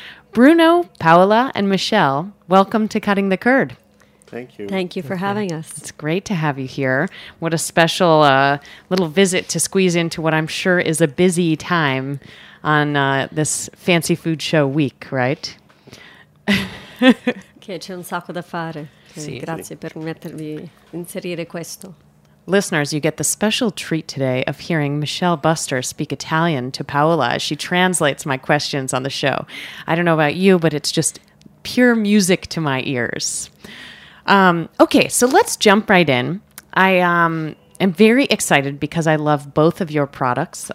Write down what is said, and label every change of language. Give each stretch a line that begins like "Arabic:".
English: Bruno, Paola, and Michelle, welcome to Cutting the Curd. Thank you. Thank you for having us. It's great to have you here. What a special little visit to squeeze into what I'm sure is a busy time on this fancy food show week, right?
Italian: Che c'è un sacco da fare. Grazie per mettervi inserire questo.
English: Listeners, you get the special treat today of hearing Michelle Buster speak Italian to Paola as she translates my questions on the show. I don't know about you, but it's just pure music to my ears. Okay, so let's jump right in. I'm very excited because I love both of your products.